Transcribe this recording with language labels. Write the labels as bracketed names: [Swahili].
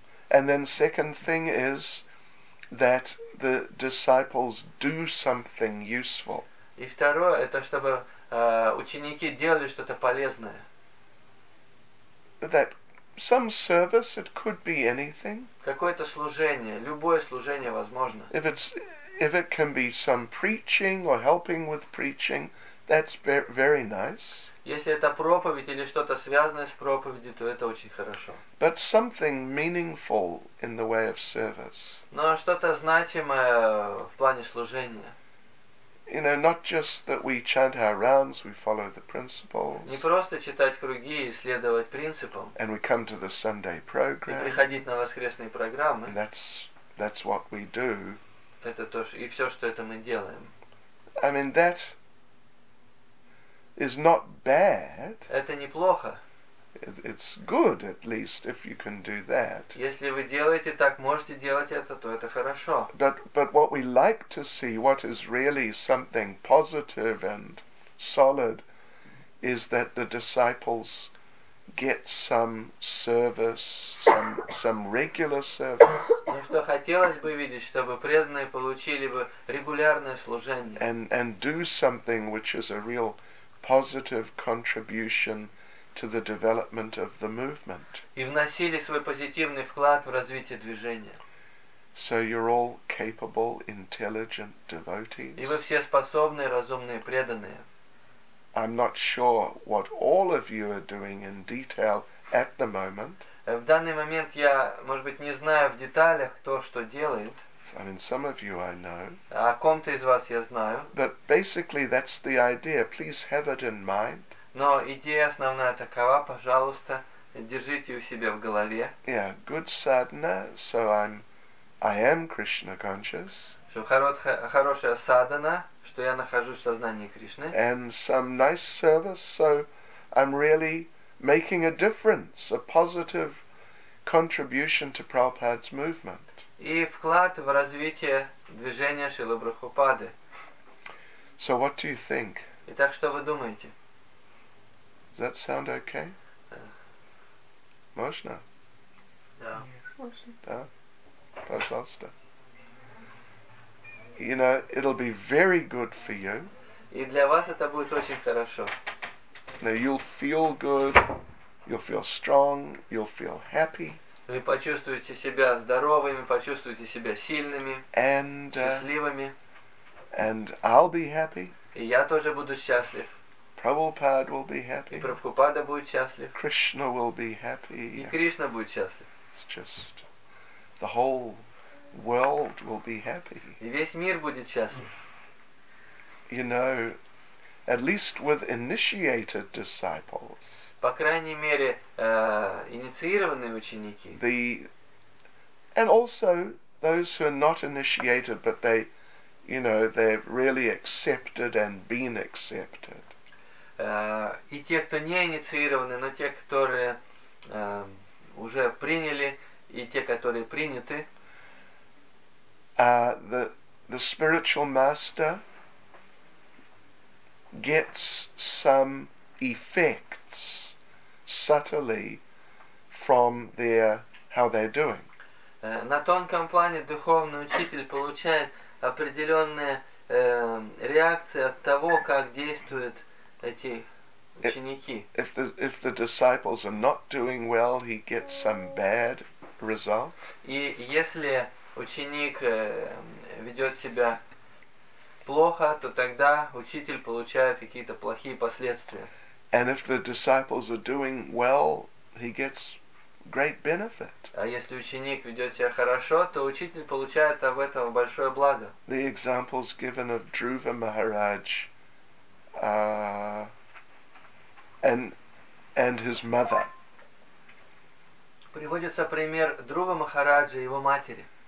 [English] And then second thing is that the disciples do something useful. [Russian] И второе, это чтобы ученики делали что-то полезное. [English] That some service, it could be anything. [Russian] Какое-то служение, любое служение возможно. [English] If it can be some preaching or helping with preaching, that's very nice. [Russian] Если это проповедь или что-то связанное с проповедью, то это очень хорошо. [English] But something meaningful in the way of service. [Russian] Но что-то значимое в плане служения. [English] You know, not just that we chant our rounds, we follow the principles. [Russian] Не просто читать круги и следовать принципам. [English] And we come to the Sunday program. [Russian] И приходить на воскресные программы. [English] And that's what we do. [Russian] Это то, и все, что это мы делаем. [English] I mean, that is not bad. [Russian] Это неплохо. [English] It's good, at least, if you can do that. [Russian] Если вы делаете так, можете делать это, то это хорошо. [English] But what we like to see, what is really something positive and solid, is that the disciples get some service, some regular service. [Russian] Но что хотелось бы видеть, чтобы преданные получили бы регулярное служение. [English] And do something which is a real positive contribution to the development of the movement. [Russian] И вносили свой позитивный вклад в развитие движения. [English] So you're all capable, intelligent devotees. [Russian] И вы все способные, разумные, преданные. [English] I'm not sure what all of you are doing in detail at the moment. [Russian] В данный момент я, может быть, не знаю в деталях, кто что делает. [English] I mean, some of you I know. [Russian] О ком-то из вас я знаю. [English] But basically, that's the idea. Please have it in mind. [Russian] Но идея основная такова, пожалуйста, держите у себя в голове. [English] Yeah, good sadhana, so I am Krishna conscious. [Russian] Что хорошая садхана, что я нахожусь в сознании Кришны. [English] And some nice service, so I'm really making a difference, a positive contribution to Prabhupada's movement. [Russian] И вклад в развитие движения Шрилы Прабхупады. [English] So what do you think? [Russian] Итак, что вы думаете? [English] Does that sound okay? [Russian] Можно? Да. Пожалуйста. [English] You know, it'll be very good for you. [Russian] И для вас это будет очень хорошо. [English] Now you'll feel good, you'll feel strong, you'll feel happy. [Russian] Вы почувствуете себя здоровыми, почувствуете себя сильными, счастливыми. [English] And I'll be happy. [Russian] И я тоже буду счастлив. [English] Prabhupada will be happy. [Russian] И Прабхупада будет счастлив. [English] Krishna will be happy. [Russian] И Кришна будет счастлив. [English] It's just the whole world will be happy. [Russian] И весь мир будет счастлив. [English] You know, at least with initiated disciples. [Russian] По крайней мере, инициированные ученики. [English] And also those who are not initiated, but they, you know, they've really accepted and been accepted. [Russian] И те, кто не инициированы, но те, которые уже приняли, и те, которые приняты. [English] The spiritual master gets some effects subtly from their how they're doing. [Russian] На тонком плане духовный учитель получает определенные реакции от того, как действует. [English] If the disciples are not doing well, he gets some bad result. [Russian] И если ученик ведет себя плохо, то тогда учитель получает какие-то плохие последствия. [English] And if the disciples are doing well, he gets great benefit. [Russian] А если ученик ведет себя хорошо, то учитель получает об этом большое благо. [English] The examples given of Dhruva Maharaj. And his mother. [Russian] Приводится пример Друва Махараджа и его матери.